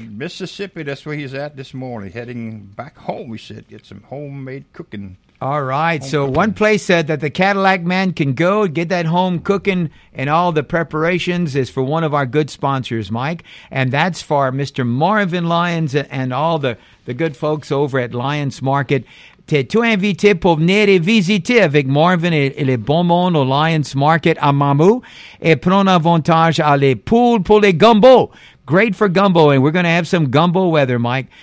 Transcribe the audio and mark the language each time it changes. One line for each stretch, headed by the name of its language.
English: Mississippi, that's where he's at this morning, heading back home, he said, get some homemade cooking. All right. Home cooking. One place said that the Cadillac man can go get that home cooking and all the preparations is for one of our good sponsors, Mike. And that's for Mr. Marvin Lyons and all the good folks over at Lyons Market.
French: T'es tout invité pour venir et visiter avec Marvin et les bons mondes au Lions Market à Mamou et prendre avantage à les poules pour les gumbo.
English: Great for gumbo, and we're going to have some gumbo weather, Mike.